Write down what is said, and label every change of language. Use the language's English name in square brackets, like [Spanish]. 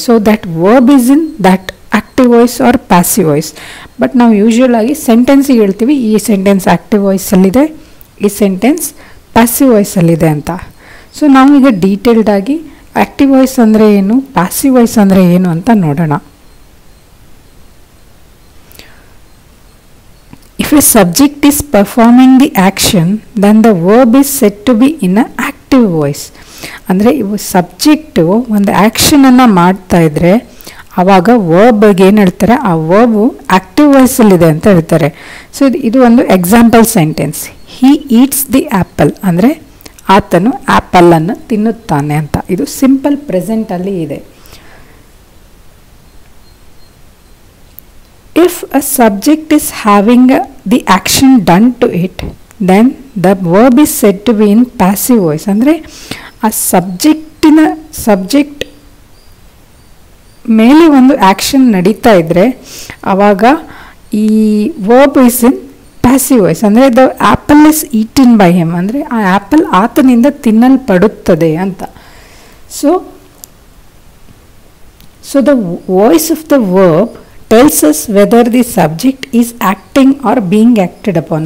[English] So that verb is in that active voice or passive voice. [Kannada] But ನಾವು ಯೂಶ್ವಲಾಗಿ ಸೆಂಟೆನ್ಸಿಗೆ ಹೇಳ್ತೀವಿ, ಈ sentence active ವಾಯ್ಸಲ್ಲಿದೆ, ಈ sentence passive ವಾಯ್ಸಲ್ಲಿದೆ ಅಂತ. So ನಾವೀಗ ಡೀಟೇಲ್ಡಾಗಿ ಆ್ಯಕ್ಟಿವ್ ವಾಯ್ಸ್ ಅಂದರೆ ಏನು, ಪ್ಯಾಸಿವ್ ವಾಯ್ಸ್ ಅಂದರೆ ಏನು ಅಂತ ನೋಡೋಣ. [English] If a subject is performing the action, then the verb is said to be in an active voice. [Kannada] ಅಂದರೆ ಇವು ಸಬ್ಜೆಕ್ಟು ಒಂದು ಆ್ಯಕ್ಷನನ್ನು ಮಾಡ್ತಾ ಇದ್ದರೆ ಆವಾಗ ವರ್ಬ್ಗೆ ಏನು ಹೇಳ್ತಾರೆ, ಆ ವರ್ಬು ಆ್ಯಕ್ಟಿವ್ ವಾಯ್ಸಲ್ಲಿದೆ ಅಂತ ಹೇಳ್ತಾರೆ. ಸೊ ಇದು ಒಂದು example sentence, [English] he eats the apple, [Kannada] ಅಂದರೆ ಆತನು ಆ್ಯಪಲನ್ನು ತಿನ್ನುತ್ತಾನೆ ಅಂತ. ಇದು ಸಿಂಪಲ್ ಪ್ರೆಸೆಂಟಲ್ಲಿ ಇದೆ. [English] If a subject is having the action done to it, then the verb is said to be in passive voice. [Kannada] ಅಂದರೆ ಆ ಸಬ್ಜೆಕ್ಟಿನ ಸಬ್ಜೆಕ್ಟ್ ಮೇಲೆ ಒಂದು ಆ್ಯಕ್ಷನ್ ನಡೀತಾ ಇದ್ದರೆ ಆವಾಗ ಈ [English] Verb is in passive voice. [Kannada] ಅಂದರೆ [English] the apple is eaten by him, [Kannada] ಅಂದರೆ ಆ ಆ್ಯಪಲ್ ಆತನಿಂದ ತಿನ್ನಲ್ಪಡುತ್ತದೆ ಅಂತ. [English] So the voice of the verb tells us whether the subject is acting or being acted upon.